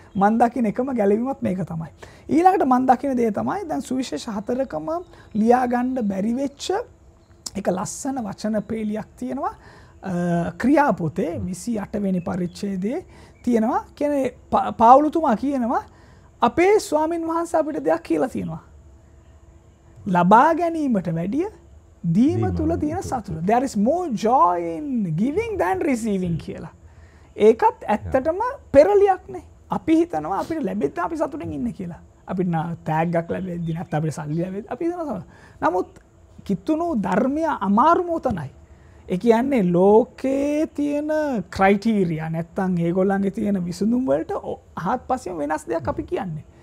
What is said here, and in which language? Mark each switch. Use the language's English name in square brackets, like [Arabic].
[Sinhala] මන් දකින්න එකම ගැළවීමත් මේක තමයි. ඊළඟට මන් දකින්න දේ තමයි දැන් සුවිශේෂ හතරකම ලියා ගන්න බැරි වෙච්ච එක ලස්සන වචන පේලියක් තියෙනවා ක්‍රියා පොතේ 28 වෙනි පරිච්ඡේදයේ තියෙනවා. කියන්නේ පාවුලතුමා කියනවා අපේ ස්වාමින් වහන්සේ අපිට දෙයක් කියලා තියෙනවා. ලබා ගැනීමට වැඩිය දීම තුල තියෙන සතුට. [English] There is more joy in giving than receiving කියලා. [Sinhala] ඒකත් ඇත්තටම පෙරලියක්නේ. අපි හිතනවා අපිට ලැබෙද්දී අපි සතුටින් ඉන්නේ කියලා. අපිට තෑග්ගක් ලැබෙද්දී නැත්නම් අපිට සල්ලි ලැබෙද්දී අපි හිතනවා සතුට. නමුත් කිතුණු ධර්මීය අමාරුම උතනයි. ඒ කියන්නේ ලෝකේ තියෙන ක්‍රයිටීරියා නැත්තම් ඒගොල්ලන්ගේ තියෙන විසඳුම් වලට අහත්පසින් වෙනස් දෙයක් අපි කියන්නේ.